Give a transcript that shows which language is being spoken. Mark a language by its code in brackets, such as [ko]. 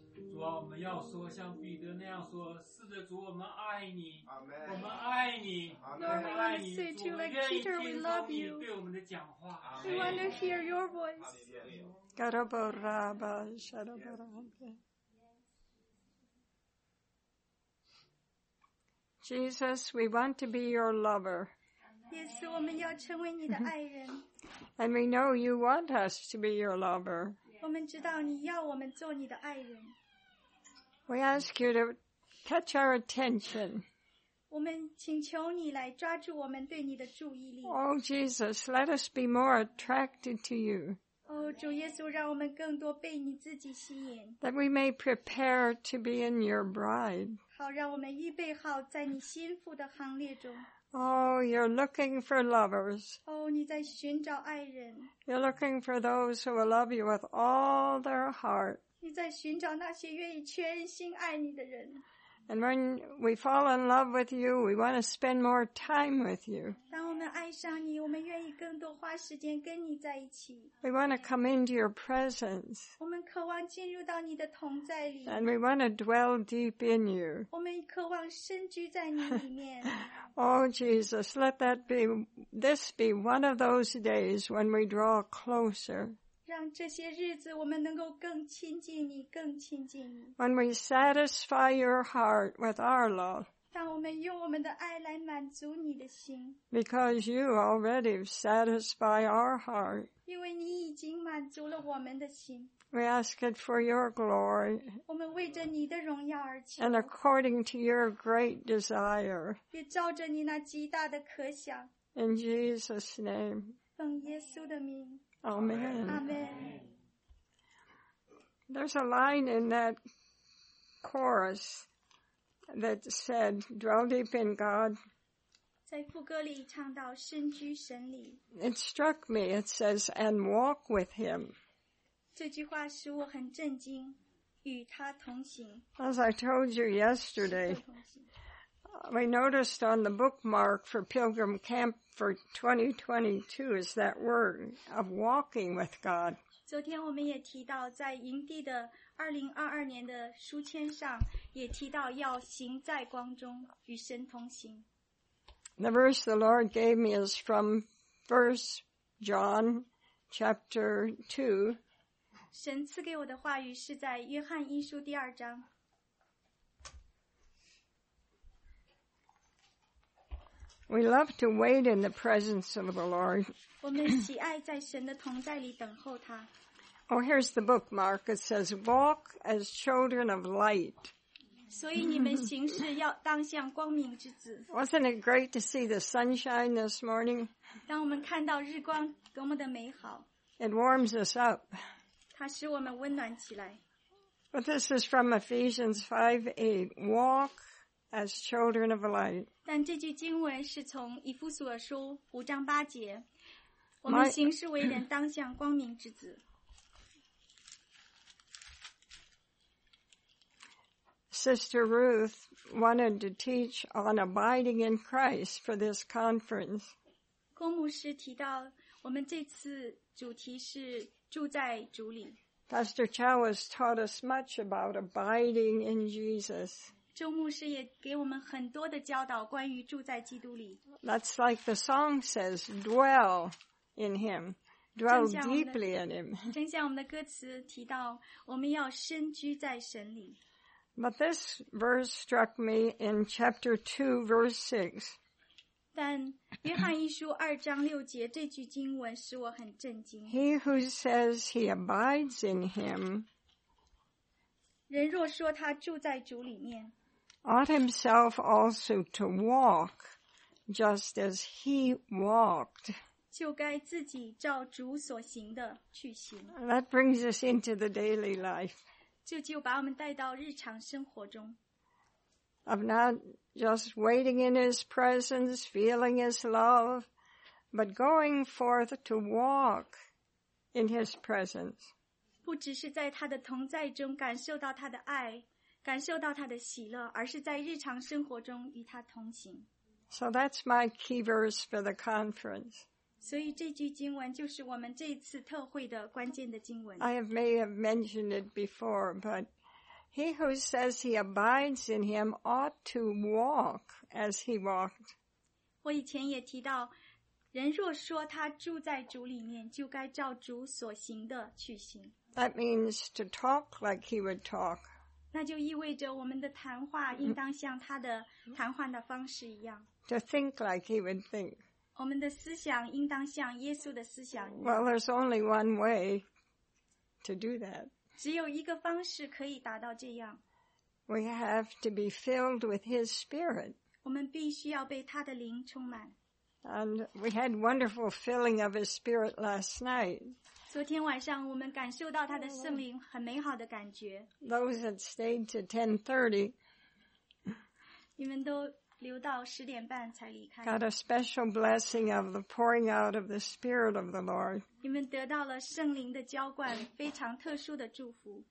[zh] 主啊，我们要说像彼得那样说，是的，主，我们爱你。 [en] Amen. [zh] 我们爱你。 [en] Lord, we want to say to you like Peter, we love you. [zh] 对我们的讲话。 [en] We want to hear your voice. Garabaraba, shadabaraba. Jesus, we want to be your lover. [zh] Yes, 我们要成为你的爱人。 [en] And we know you want us to be your lover. We ask you to catch our attention. Oh, Jesus, let us be more attracted to you. [zh] Oh, 主耶稣，让我们更多被你自己吸引。 [en] That we may prepare to be in your bride. [zh] 好，让我们预备好在你心腹的行列中。 [en] Oh, you're looking for lovers. [zh] Oh, 你在寻找爱人。 [en] You're looking for those who will love you with all their heart. [zh] 你在寻找那些愿意全心爱你的人。 [en] And when we fall in love with you, we want to spend more time with you. [zh] 当我们爱上你，我们愿意更多花时间跟你在一起。 [en] We want to come into your presence. [zh] 我们渴望进入到你的同在里。 [en] And we want to dwell deep in you. [zh] 我们渴望深居在你里面。 [en] Oh, Jesus, let that be, this be one of those days when we draw closer. [zh] 让这些日子我们能够更亲近你，更亲近你。 [en] When we satisfy your heart with our love. [zh] 当我们用我们的爱来满足你的心。 [en] Because you already satisfy our heart. [zh] 因为你已经满足了我们的心。 [en] We ask it for your glory. [zh] 我们为着你的荣耀而求。 [en] And according to your great desire. [zh] 也照着你那极大的可想。 [en] In Jesus' name. [zh] 奉耶稣的名。 [en] Amen. Amen. There's a line in that chorus that said, dwell deep in God. [zh] 在副歌里唱到深居神里。 [en] It struck me. It says, and walk with him. [zh] 这句话使我很震惊，与他同行。 [en] As I told you yesterday, we noticed on the bookmark for Pilgrim Camp for 2022 is that word of walking with God. [zh] 昨天我们也提到，在营地的2022年的书签上也提到要行在光中与神同行。 [en] The verse the Lord gave me is from 1 John chapter 2. [zh] 神赐给我的话语是在约翰一书第二章。 [en] We love to wait in the presence of the Lord. [zh] 我们喜爱在神的同在里等候他。 [en] Oh, here's the bookmark. It says, walk as children of light. [zh] 所以你们行事要当像光明之子。 [en] Wasn't it great to see the sunshine this morning? [zh] 当我们看到日光多么的美好。 [en] It warms us up. [zh] 它使我们温暖起来。 [en] But this is from Ephesians 5:8. Walk as children of light. [zh] 但这句经文是从以弗所书五章八节。我们行事为人当像光明之子。 [en] Sister Ruth wanted to teach on abiding in Christ for this conference. [zh] 郭牧师提到我们这次主题是住在主里。 [en] Pastor Chow has taught us much about abiding in Jesus. [zh] 周牧师也给我们很多的教导关于住在基督里。 [en] That's like the song says, dwell in him, dwell deeply in him. [zh] 正像我们的歌词提到我们要深居在神里。 [en] But this verse struck me in chapter 2, verse 6. [zh] 但约翰一书二章六节这句经文使我很震惊。 [en] He who says he abides in him, [zh] 人若说他住在主里面, [en] ought himself also to walk just as he walked. [zh] 就该自己照主所行的去行。 [en] That brings us into the daily life. [zh] 就把我们带到日常生活中。 [en] Of not just waiting in his presence, feeling his love, but going forth to walk in his presence. [zh] 不只是在他的同在中感受到他的爱，感受到他的喜乐，而是在日常生活中与他同行。 [en] So that's my key verse for the conference. [zh] 所以这句经文就是我们这一次特会的关键的经文。 [en] I may have mentioned it before, but he who says he abides in him ought to walk as he walked. [zh] 我以前也提到，人若说他住在主里面，就该照主所行的去行。 [en] That means to talk like he would talk. [zh] 那就意味着我们的谈话应当像他的谈话的方式一样。 [en] To think like he would think. [zh] 我们的思想应当像耶稣的思想。 [en] Well, there's only one way to do that. [zh] 只有一个方式可以达到这样。 [en] We have to be filled with his spirit. [zh] 我们必须要被他的灵充满。 [en] And we had wonderful filling of his spirit last night. [zh] 昨天晚上我们感受到他的圣灵很美好的感觉。 [en] Those that stayed to 10:30. [zh] 你们都留到十点半才离开。 [en] Got a special blessing of the pouring out of the Spirit of the Lord. [zh] 你们得到了圣灵的浇灌，非常特殊的祝福。